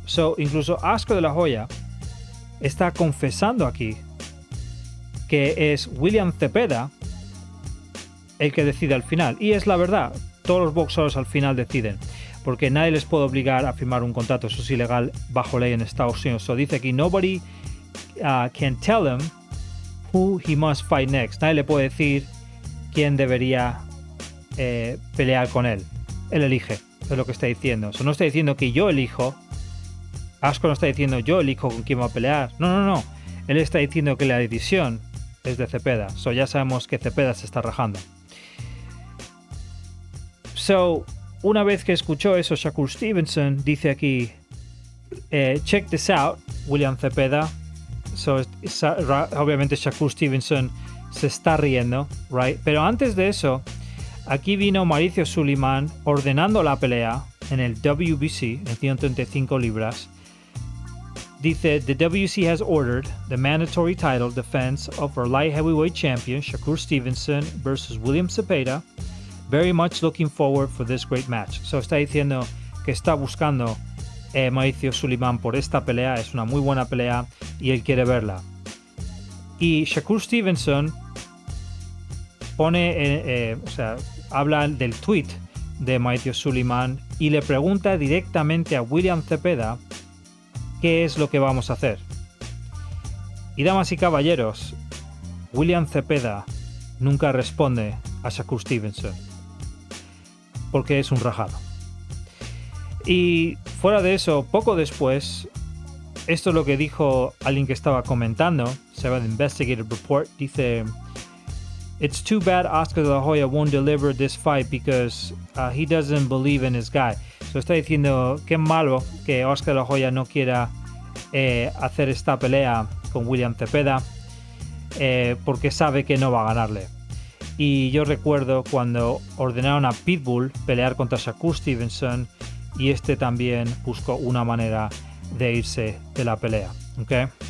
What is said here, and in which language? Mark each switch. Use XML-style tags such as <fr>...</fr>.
<es>So, incluso Asco de la Hoya está confesando aquí que es William Cepeda el que decide al final, y es la verdad. Todos los boxeadores al final deciden, porque nadie les puede obligar a firmar un contrato. Eso es ilegal bajo ley en Estados Unidos.</es> <en>So,</en> <es>dice aquí:</es> <en>nobody can tell him who he must fight next.</en> <es>Nadie le puede decir quién debería pelear con él. Él elige, es lo que está diciendo. Eso no está diciendo que yo elijo. Asco no está diciendo yo elijo con quién va a pelear. No. Él está diciendo que la decisión es de Cepeda. So, ya sabemos que Cepeda se está rajando. So, una vez que escuchó eso, Shakur Stevenson dice aquí:</es> <en>check this out,</en> <es>William Cepeda. So, obviamente Shakur Stevenson se está riendo, right? Pero antes de eso, aquí vino Mauricio Sulaimán ordenando la pelea en el WBC, en 135 libras. Dice:</es> <en>the WBC has ordered the mandatory title defense of our light heavyweight champion Shakur Stevenson versus William Cepeda. Very much looking forward for this great match.</en> <es>So, está diciendo que está buscando Mauricio Sulaimán por esta pelea. Es una muy buena pelea y él quiere verla. Y Shakur Stevenson pone, habla del tweet de Mauricio Sulaimán y le pregunta directamente a William Cepeda qué es lo que vamos a hacer. Y damas y caballeros, William Cepeda nunca responde a Shakur Stevenson porque es un rajado. Y fuera de eso, poco después, esto es lo que dijo alguien que estaba comentando, se llama The Investigative Report, dice:</es> <en>it's too bad Oscar De La Hoya won't deliver this fight because he doesn't believe in his guy.</en> <es>So está diciendo que malo que Oscar De La Hoya no quiera hacer esta pelea con William Cepeda porque sabe que no va a ganarle. Y yo recuerdo cuando ordenaron a Pitbull pelear contra Shakur Stevenson y este también buscó una manera de irse de la pelea. Okay?</es>